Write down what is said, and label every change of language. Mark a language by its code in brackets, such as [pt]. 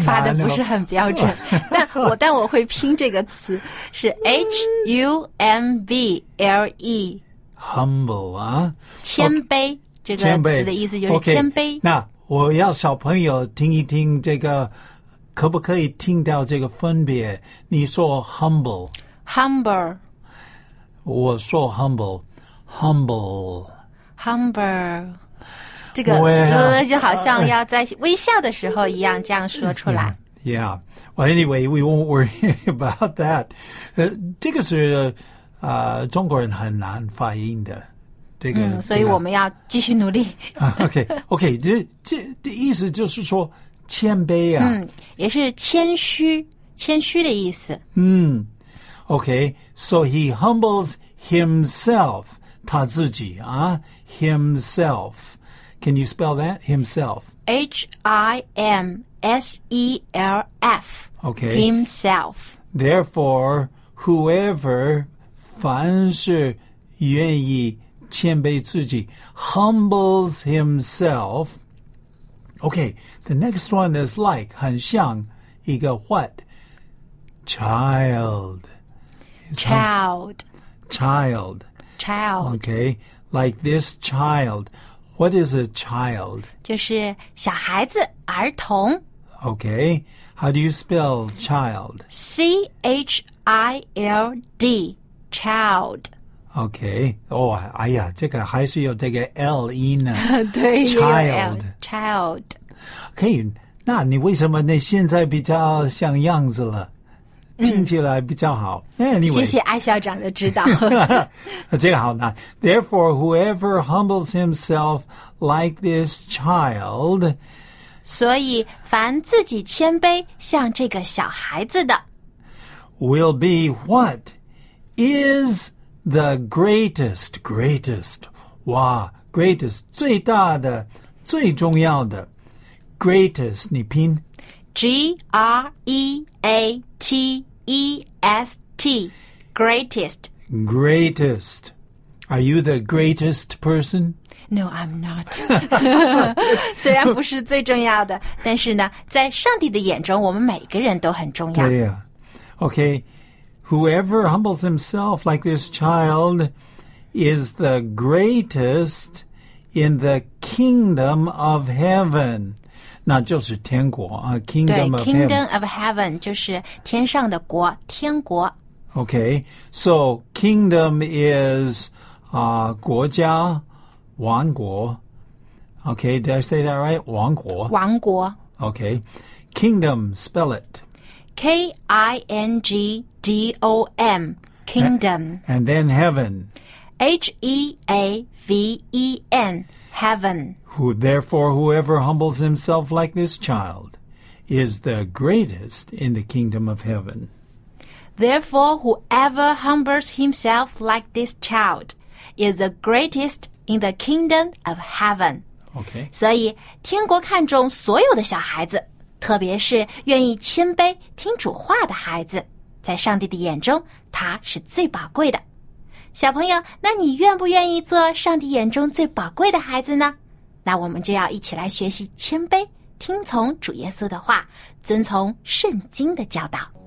[zh] 发的不是很标准但我会拼这个词是 H-U-M-B-L-E [en] Humble 啊 [zh] 谦卑 [en] okay, [zh] 这个词的意思就是谦卑, okay, 谦卑那我要小朋友听一听这个可不可以听到这个分别你说 Humble [en] Humble [zh] 我说 Humble Humble Humble 这个 [en] well, [zh] 就好像要在微笑的时候一样这样说出来 [en] yeah. Well anyway we won't worry about that [zh] 这个是、中国人很难发音的、这个嗯、所以我们要继续努力 OK 这意思就是说谦卑啊、嗯、也是谦虚谦虚的意思、 [en] 嗯、OK So he humbles himself [zh] 他自己啊 [en] ，himself， can you spell that himself？ H I M S E L F。 Okay。 Himself。 Therefore, whoever [zh] 凡是愿意谦卑自己 [en] ，humbles himself。 Okay, the next one is like [zh] 很像一个 [en] what child？ Child。 Child。 Child. Okay, like this child. What is a child? [zh] 就是小孩子，儿童。 [en] Okay, how do you spell child? C-H-I-L-D, child. [zh] Okay, 哎呀，这个还是有这个 L 音呢。对 [en] ，child, child. [zh] Okay, 那你为什么你现在比较像样子了？听起来比较好、嗯 [en] anyway, [zh] 谢谢艾校长的指导这个好难 [en] Therefore whoever humbles himself like this child [zh] 所以凡自己谦卑像这个小孩子的 [en] Will be what is the greatest 哇 greatest [zh] 最大的最重要的 greatest， 你拼 [en] G-R-E-A-T-E-S-T greatest greatest。 Are you the greatest person？ No, I'm not. [zh] 虽然不是最重要的，但是呢，在上帝的眼中，我们每个人都很重要。对呀。 [en] Okay, whoever humbles himself like this child is the greatest in the kingdom of heaven. [zh] 那就是天国啊 , [en] kingdom of heaven. Kingdom of heaven [zh] 就是天上的国，天国。 [en] Okay, so kingdom is, 国家。王国 Okay, did I say that right? [zh] 王国王国 [en] Okay, kingdom, spell it K-I-N-G-D-O-M, kingdom and then heaven H-E-A-V-E-N, heaven Who, therefore, whoever humbles himself like this child is the greatest in the kingdom of heaven Therefore, whoever humbles himself like this child is the greatestin the kingdom of heaven. Okay. [zh] 所以天国看重所有的小孩子特别是愿意谦卑听主话的孩子在上帝的眼中他是最宝贵的。小朋友那你愿不愿意做上帝眼中最宝贵的孩子呢那我们就要一起来学习谦卑听从主耶稣的话遵从圣经的教导。